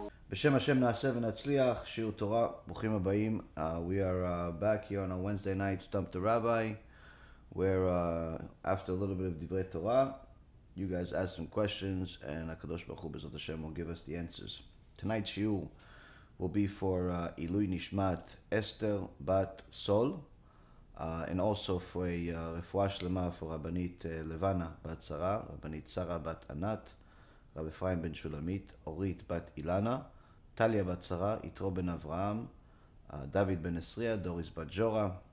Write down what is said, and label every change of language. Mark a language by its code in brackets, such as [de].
[he] בשם השם נעשה ונצליח, שיעור תורה, ברוכים הבאים. [en] We are back here on a Wednesday night, Stump the Rabbi, where after a little bit of Divrei Torah, you guys ask some questions, and HaKadosh Baruch Hu Bezot Hashem will give us the answers. Tonight's shiur will be for Ilui Nishmat Esther Bat Sol, and also for a Refuah Shlema for Rabbanit Levana Bat Sarah, Rabbanit Sarah Bat Anat, Rabbi Ephraim Ben Shulamit, Orit Bat Ilana, טליה בת שרה, יתרו בן אברהם, דוד בן אסריה, דוריס בת ג'ורה,